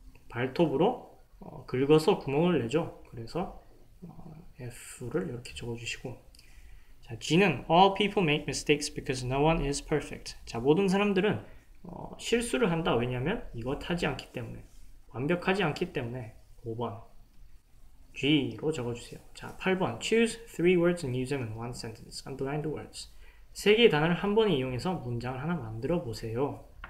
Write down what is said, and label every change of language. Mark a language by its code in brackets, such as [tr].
[ko] 발톱으로 긁어서 구멍을 내죠. 그래서 F를 이렇게 적어주시고 자, G는 [en] All people make mistakes because no one is perfect. [ko] 자, 모든 사람들은 실수를 한다. 왜냐하면 이것 하지 않기 때문에 완벽하지 않기 때문에 5번 G로 적어주세요. 자, 8번 [en] Choose three words and use them in one sentence. Underline the words. [ko] 세 개의 단어를 한 번에 이용해서 문장을 하나 만들어 보세요.